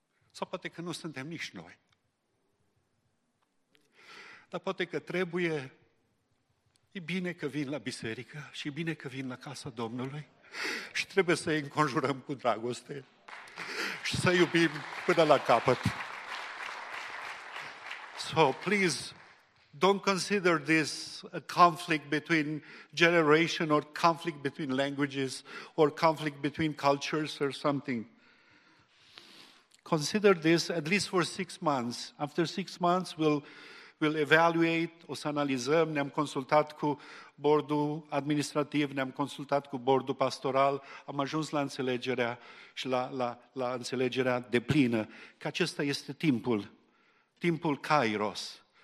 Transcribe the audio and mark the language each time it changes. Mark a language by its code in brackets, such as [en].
[ro] Sau poate că nu suntem nici noi. Dar poate că trebuie, e bine că vin la biserică și e bine că vin la casa Domnului și trebuie să îi înconjurăm cu dragoste și să iubim până la capăt. [en] So, please, don't consider this a conflict between generation or conflict between languages or conflict between cultures or something. Consider this at least for 6 months. After 6 months, we'll evaluate, [ro] o să analizăm, ne-am consultat cu bordul administrativ, ne-am consultat cu bordul pastoral, am ajuns la înțelegerea și la înțelegerea deplină că acesta este timpul Kairos.